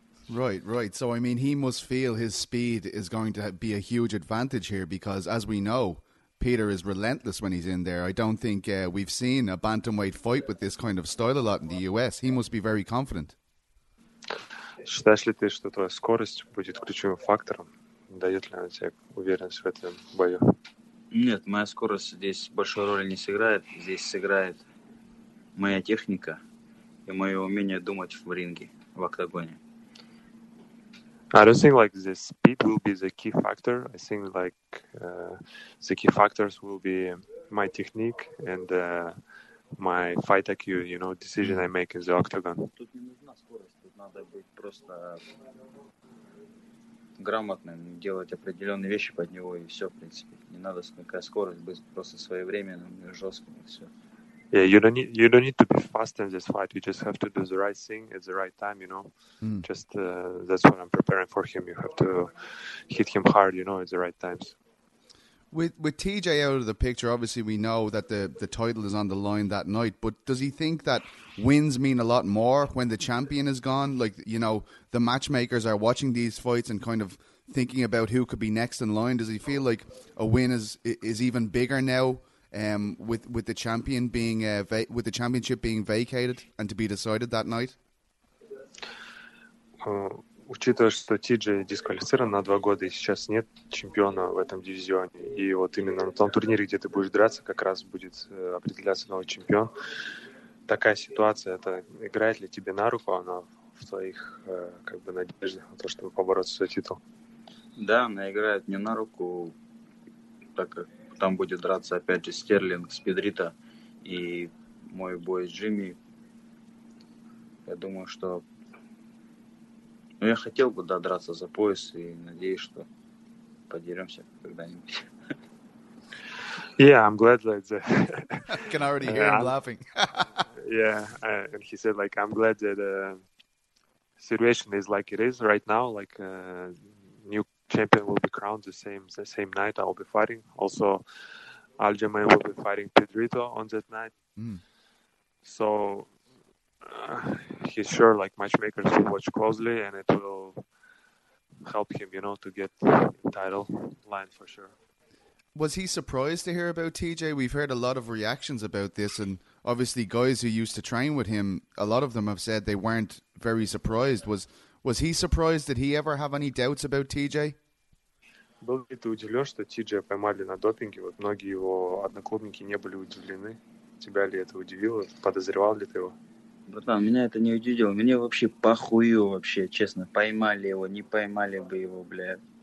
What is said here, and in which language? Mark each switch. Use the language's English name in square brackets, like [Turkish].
[English] Right, right. So, I mean, he must feel his speed is going to be a huge advantage here because, as we know, Peter is relentless when he's in there. I don't think we've seen a bantamweight fight with this kind of style a lot in the US. He must be very confident. [Russian] Считаешь ли ты, что твоя скорость будет ключевым фактором? Дает ли она тебе уверенность в этом бою? Нет, моя скорость здесь большой роли не сыграет. Здесь сыграет моя техника и мое умение думать в ринге, в октагоне. [English] I don't think like the speed will be the key factor. I think like the key factors will be my technique and my fight IQ, you know, decision I make in the octagon. [Russian] Тут не нужна скорость, тут надо быть просто грамотным, делать определенные вещи под него и все, в принципе. Не надо никакая скорость, быть просто своевременным и жестким, и все. [English] Yeah, you don't need to be fast in this fight. You just have to do the right thing at the right time, you know. Just that's what I'm preparing for him. You have to hit him hard, you know, at the right times. With TJ out of the picture, obviously we know that the title is on the line that night, but does he think that wins mean a lot more when the champion is gone? Like, you know, the matchmakers are watching these fights and kind of thinking about who could be next in line. Does he feel like a win is even bigger now with the champion being with the championship being vacated and to be decided that night? [Russian] учитывая, что Ти-Джей дисквалифицирован на 2 года, и сейчас нет чемпиона в этом дивизионе, и вот именно на том турнире, где ты будешь драться, как раз будет определяться новый чемпион, такая ситуация, это играет ли тебе на руку она в твоих как бы надеждах на то, чтобы побороться за титул? Да, она играет мне на руку, так как там будет драться опять же Стерлинг, Спидрита и мой бой с Джимми. Я думаю, что я хотел бы, да, драться за пояс и надеюсь, что подеремся когда-нибудь. [English] Yeah, I'm glad that. I can already hear him laughing. Yeah, and he said, like, I'm glad that the situation is like it is right now. Like, new champion will be crowned the same night. I'll be fighting. Also, Aljamain will be fighting Pedrito on that night. Mm. So. He's sure, like, matchmakers will watch closely, and it will help him, you know, to get title line for sure. Was he surprised to hear about TJ? We've heard a lot of reactions about this, and obviously guys who used to train with him, a lot of them have said they weren't very surprised. Was he surprised? Did he ever have any doubts about TJ? [Russian] Был ли ты удивлен, что TJ поймали на допинге? Вот многие его одноклубники не были удивлены. Тебя ли это удивило? Подозревал ли ты его? Братан, меня это не удивило. Мне вообще похую вообще, честно. Поймали его, не поймали бы его, бля.